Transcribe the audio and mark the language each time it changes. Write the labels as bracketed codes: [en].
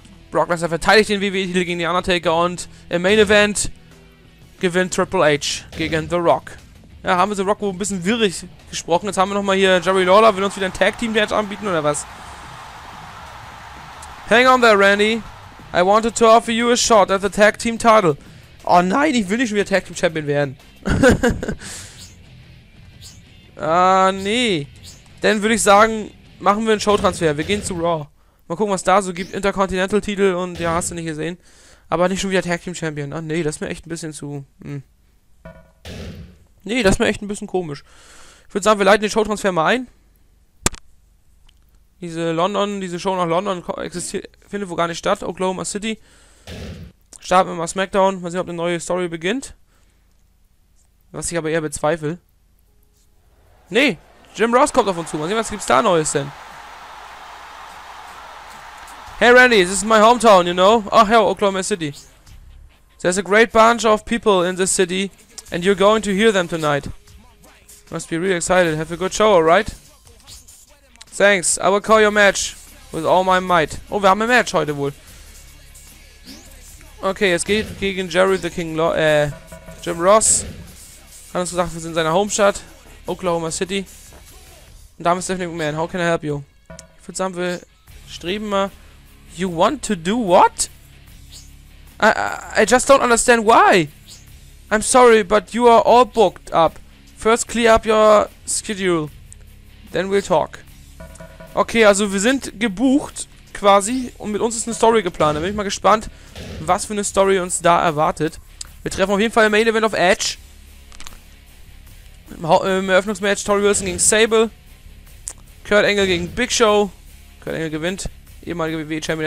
[de] Brock Lesnar verteidigt den WWE Titel gegen den Undertaker und im Main Event gewinnt Triple H gegen The Rock. Ja, haben wir The Rock wohl ein bisschen wirrig gesprochen. Jetzt haben wir nochmal hier Jerry Lawler. Will uns wieder ein Tag-Team-Match anbieten, oder was? [en] Hang on there, Randy. I wanted to offer you a shot at the Tag-Team title. [de] Oh nein, ich will nicht schon wieder Tag-Team-Champion werden. Ah, nee. Dann würde ich sagen, machen wir einen Showtransfer. Wir gehen zu Raw. Mal gucken, was da so gibt. Intercontinental-Titel und ja, hast du nicht gesehen. Aber nicht schon wieder Tag-Team-Champion. Ach nee, das ist mir echt ein bisschen zu... Nee, das ist mir echt ein bisschen komisch. Ich würde sagen, wir leiten den Showtransfer mal ein. Diese Show nach London findet wohl gar nicht statt. Oklahoma City. Starten wir mal SmackDown. Mal sehen, ob eine neue Story beginnt. Was ich aber eher bezweifle. Nee, Jim Ross kommt auf uns zu. Mal sehen, was gibt's da Neues denn. [en] Hey Randy, this is my hometown, you know? Oh, hell, Oklahoma City. There's a great bunch of people in this city. And you're going to hear them tonight. Must be really excited. Have a good show, alright? Thanks. I will call your match with all my might. [de] Oh, wir haben ein Match heute wohl. Okay, es geht gegen Jerry the King Jim Ross. Hat uns gesagt, wir sind in seiner Homestadt. [en] Oklahoma City. [de] Und damit ist [en] Stephanie McMahon. How can I help you? [de] Ich würde sagen, wir streben mal. [en] You want to do what? I just don't understand why. I'm sorry, but you are all booked up. First clear up your schedule. Then we'll talk. [de] Okay, also wir sind gebucht quasi und mit uns ist eine Story geplant. Da bin ich mal gespannt, was für eine Story uns da erwartet. Wir treffen auf jeden Fall im Main Event auf Edge. Im Eröffnungsmatch Tori Wilson gegen Sable. Kurt Angle gegen Big Show. Kurt Angle gewinnt. Ehemaliger WWE Champion.